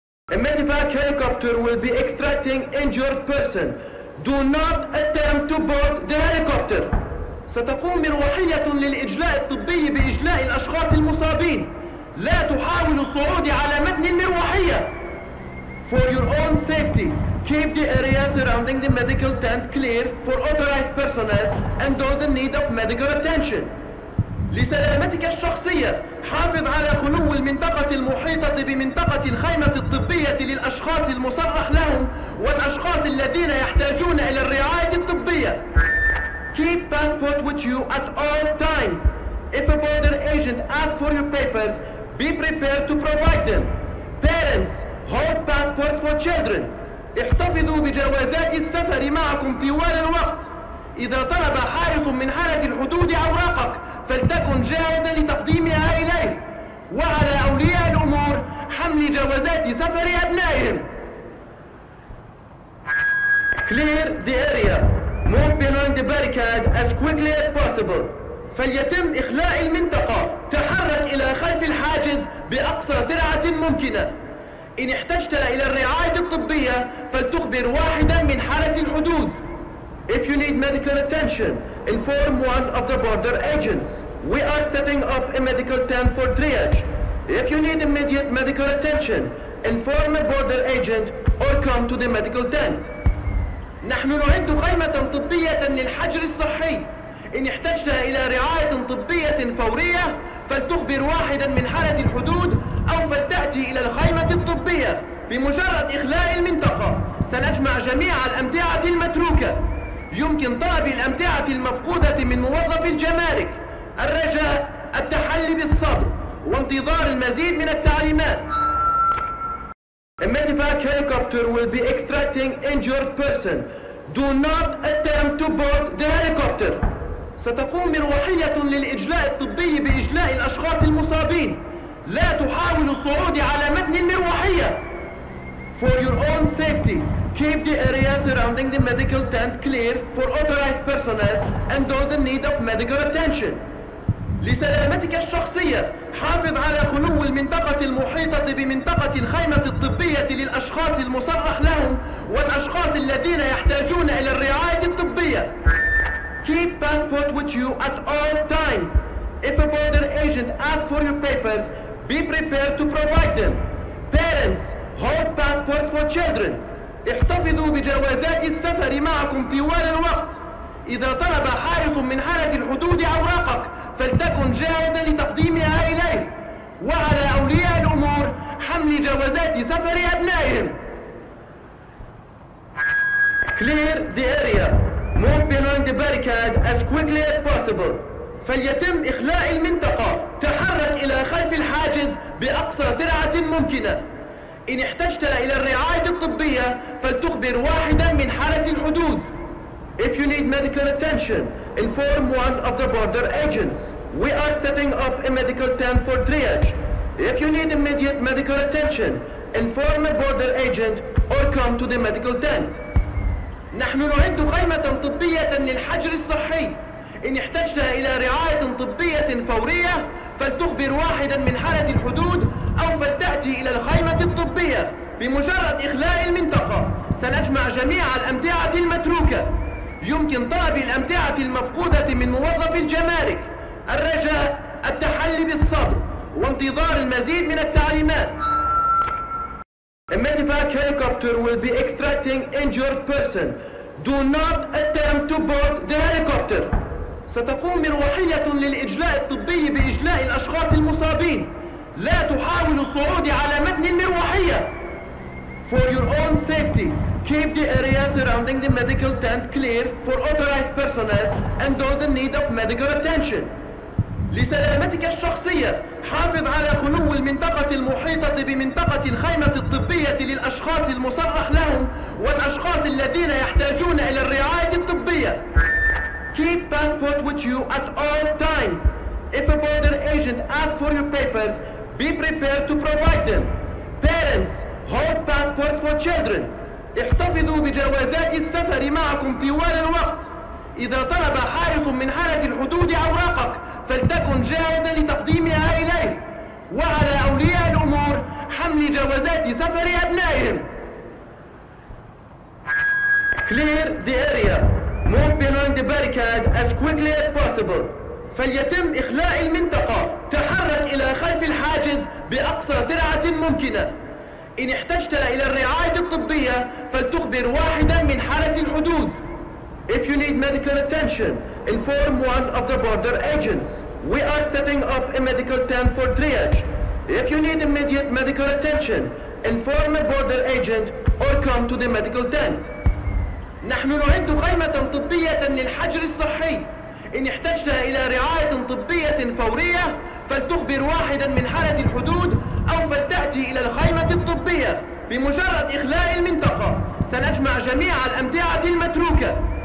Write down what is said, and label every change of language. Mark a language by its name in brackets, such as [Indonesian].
[English] A medevac helicopter will be extracting injured person. Do not attempt to board the helicopter. [Arabic] ستقوم مروحية للإجلاء الطبي بإجلاء الأشخاص المصابين. لا تحاول الصعود على متن المروحية. [English] For your own safety, keep the area surrounding the medical tent clear for authorized personnel and those in need of medical attention. [Arabic] لسلامتك الشخصية، حافظ على خلو المنطقة المحيطة بمنطقة الخيمة الطبية للأشخاص المصرح لهم والأشخاص الذين يحتاجون إلى الرعاية الطبية. [English] Keep passport with you at all times. If a border agent asks for your papers, be prepared to provide them. Parents, hold passport for children. [Arabic] احتفظوا بجوازات السفر معكم طوال الوقت. إذا طلب حارس من حرس الحدود أوراقك فلتكن جاهزا لتقديمها إليه. وعلى أولياء الأمور حمل جوازات سفر أبنائهم. [English] Clear the area. Move behind the barricade as quickly as possible. [Arabic] فليتم إخلاء المنطقة. تحرك إلى خلف الحاجز بأقصى سرعة ممكنة. إن احتجت إلى الرعاية الطبية فلتخبر واحدا من حرس الحدود. [English] If you need medical attention, inform one of the border agents. We are setting up a medical tent for triage. If you need immediate medical attention, inform a border agent or come to the medical tent. [Arabic] نحن نعد خيمة طبية للحجر الصحي. إن احتجت إلى رعاية طبية فورية فلتخبر واحدا من حرس الحدود أو فلتأتي إلى الخيمة الطبية. بمجرد إخلاء المنطقة سنجمع جميع الأمتعة المتروكة. يمكن طلب الأمتعة المفقودة من موظف الجمارك. الرجاء التحلي بالصبر وانتظار المزيد من التعليمات. [English] Medivac helicopter will be extracting injured person. Do not attempt to board the helicopter. [Arabic] ستقوم مروحية للإجلاء الطبي بإجلاء الأشخاص المصابين. لا تحاول الصعود على متن المروحية. [English] For your own safety, keep the area surrounding the medical tent clear for authorized personnel and those in need of medical attention. [Arabic] لسلامتك الشخصية، حافظ على خلو المنطقة المحيطة بمنطقة الخيمة الطبية للأشخاص المصرح لهم والأشخاص الذين يحتاجون إلى الرعاية الطبية. [English] Keep passport with you at all times. If a border agent asks for your papers, be prepared to provide them. Parents, hold passport for children. [Arabic] احتفظوا بجوازات السفر معكم طوال الوقت. إذا طلب حارس من حرس الحدود أوراقك، فلتكن جاهزا لتقديمها إليه. وعلى أولياء الأمور حمل جوازات سفر أبنائهم. [English] Clear the area. Move behind the barricade as quickly as possible. [Arabic] فليتم إخلاء المنطقة. تحرك إلى خلف الحاجز بأقصى سرعة ممكنة. إن احتجت إلى الرعاية الطبية فلتخبر واحدا من حرس الحدود. [English] If you need medical attention, inform one of the border agents. We are setting up a medical tent for triage. If you need immediate medical attention, inform a border agent or come to the medical tent. [Arabic] نحن نعد خيمة طبية للحجر الصحي. إن احتجت إلى رعاية طبية فورية فلتخبر واحدا من حرس الحدود أو فلتأتي إلى الخيمة الطبية. بمجرد إخلاء المنطقة سنجمع جميع الأمتعة المتروكة. يمكن طلب الأمتعة المفقودة من موظف الجمارك. الرجاء التحلي بالصبر وانتظار المزيد من التعليمات. [English] A medevac helicopter will be extracting injured person. Do not attempt to board the helicopter. [Arabic] ستقوم مروحية للإجلاء الطبي بإجلاء الأشخاص المصابين. لا تحاول الصعود على متن المروحية. [English] For your own safety, keep the area surrounding the medical tent clear for authorized personnel and those in need of medical attention. [Arabic] لسلامتك الشخصية، حافظ على خلو المنطقة المحيطة بمنطقة الخيمة الطبية للأشخاص المصرح لهم والأشخاص الذين يحتاجون إلى الرعاية الطبية. [English] Keep passport with you at all times. If a border agent asks for your papers, be prepared to provide them. Parents, hold passport for children. [Arabic] احتفظوا بجوازات السفر معكم طوال الوقت. إذا طلب حارس من حرس الحدود أوراقك، فلتكن جاهزا لتقديمها إليه. وعلى أولياء الأمور حمل جوازات سفر أبنائهم. [English] Clear the area. Move behind the barricade as quickly as possible. [Arabic] فليتم إخلاء المنطقة. تحرك إلى خلف الحاجز بأقصى سرعة ممكنة. إن احتجت إلى الرعاية الطبية فلتخبر واحدا من حرس الحدود. [English] If you need medical attention, inform one of the border agents. We are setting up a medical tent for triage. If you need immediate medical attention, inform a border agent or come to the medical tent. [Arabic] نحن نعد خيمة طبية للحجر الصحي. إن احتجت إلى رعاية طبية فورية فلتخبر واحدا من حرس الحدود أو فلتأتي إلى الخيمة الطبية. بمجرد إخلاء المنطقة سنجمع جميع الأمتعة المتروكة.